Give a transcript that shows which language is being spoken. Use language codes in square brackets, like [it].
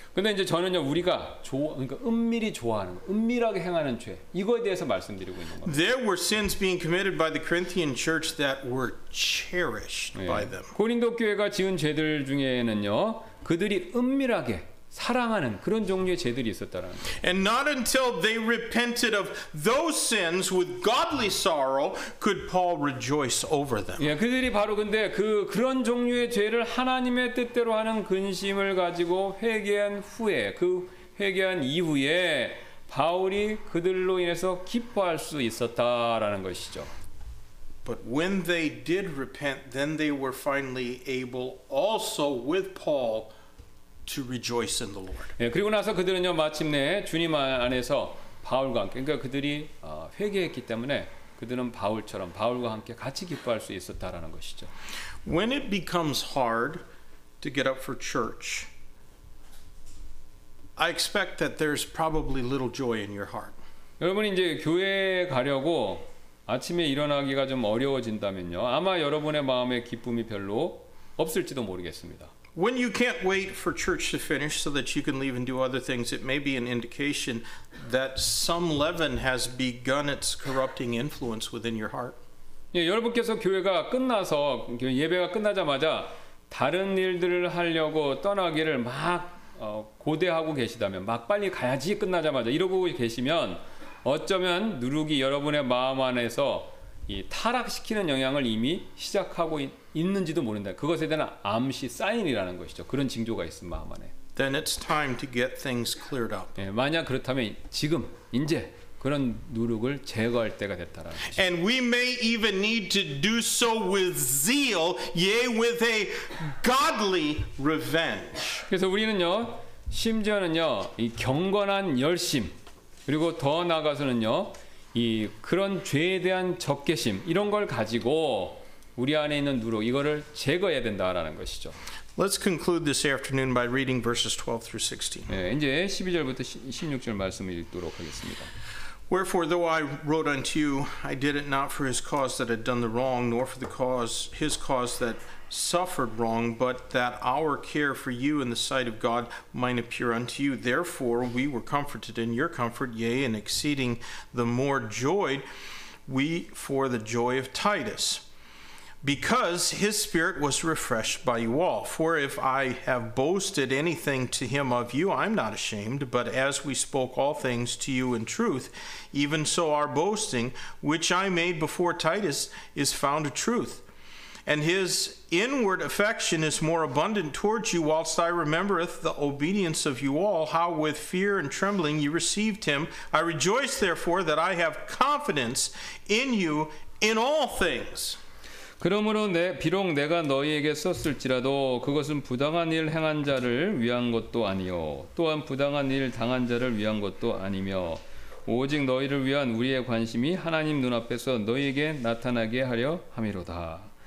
[ko] 근데 이제 저는요 우리가 그러니까 은밀히 좋아하는 은밀하게 행하는 죄 이거에 대해서 말씀드리고 있는 겁니다. [en] There were sins being committed by the Corinthian church that were cherished by them. [ko] 고린도 교회가 지은 죄들 중에는요 그들이 은밀하게 사랑하는 그런 종류의 죄들이 있었다라는. [en] And not until they repented of those sins with godly sorrow could Paul rejoice over them. [ko] 예, 그들이 바로 근데 그런 종류의 죄를 하나님의 뜻대로 하는 근심을 가지고 회개한 후에 그 회개한 이후에 바울이 그들로 인해서 기뻐할 수 있었다라는 것이죠. [en] But when they did repent, then they were finally able also with Paul to rejoice in the Lord. [ko] 예, 그리고 나서 그들은요 마침내 주님 안에서 바울과 함께 그러니까 그들이 회개했기 때문에 그들은 바울처럼 바울과 함께 같이 기뻐할 수 있었다라는 것이죠. [en] When it becomes hard to get up for church, I expect that there's probably little joy in your heart. [ko] 여러분 이제 교회 가려고 아침에 일어나기가 좀 어려워진다면요 아마 여러분의 마음에 기쁨이 별로 없을지도 모르겠습니다. [en] When you can't wait for church to finish so that you can leave and do other things, it may be an indication that some leaven has begun its corrupting influence within your heart. [ko] 예, 여러분께서 교회가 끝나서 예배가 끝나자마자 다른 일들을 하려고 떠나기를 막 고대하고 계시다면 막 빨리 가야지 끝나자마자 이러고 계시면 어쩌면 누룩이 여러분의 마음 안에서 이 타락시키는 영향을 이미 시작하고 있는지도 모른다. 그것에 대한 암시 사인이라는 것이죠. 그런 징조가 있음 마음 안에. [en] Then it's time to get things cleared up. [ko] 예, 만약 그렇다면 지금 이제 그런 누룩을 제거할 때가 됐다라는 것이죠. [en] And we may even need to do so with zeal, yea, with a godly revenge. [ko] 그래서 우리는요, 심지어는요, 이 경건한 열심 그리고 더 나아가서는요, 이 그런 죄에 대한 적개심 이런 걸 가지고 우리 안에 있는 누룩 이거를 제거해야 된다라는 것이죠. [en] Let's conclude this afternoon by reading verses 12 through 16. [ko] 네, 이제 12절부터 16절 말씀을 읽도록 하겠습니다. [en] Wherefore though I wrote unto you, I did it not for his cause that had done the wrong, nor for the cause his cause that suffered wrong, but that our care for you in the sight of God might appear unto you. Therefore we were comforted in your comfort, yea, and exceeding the more joyed we for the joy of Titus, because his spirit was refreshed by you all. For if I have boasted anything to him of you, I'm not ashamed, but as we spoke all things to you in truth, even so our boasting, which I made before Titus, is found of truth. And his inward affection is more abundant towards you, whilst I remembereth the obedience of you all, how with fear and trembling you received him. I rejoice therefore that I have confidence in you in all things. [ko] 그러므로 비록 내가 너희에게 썼을지라도 그것은 부당한 일 행한 자를 위한 것도 아니요 또한 부당한 일 당한 자를 위한 것도 아니며 오직 너희를 위한 우리의 관심이 하나님 눈앞에서 너희에게 나타나게 하려 함이로다.